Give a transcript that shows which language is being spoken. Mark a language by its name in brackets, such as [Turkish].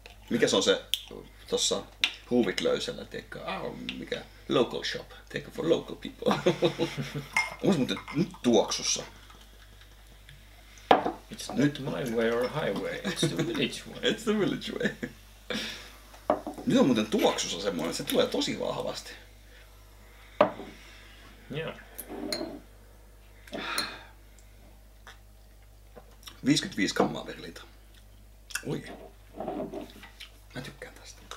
[Finnish] Mikä se on se tossa huuvit löysellä, tiedätkö, mikä [English] local shop, [Finnish] tiedätkö, [English] for local people. [Finnish] On se muuten nyt tuoksussa. [English] It's not [Finnish] nyt [English] my way or highway, it's the village way. [Finnish] Nyt on muuten tuoksussa semmoinen, se tulee tosi vahvasti. [English] Yeah. [Finnish] 55 grammaa per litra. Oi. Mä tykkään tästä.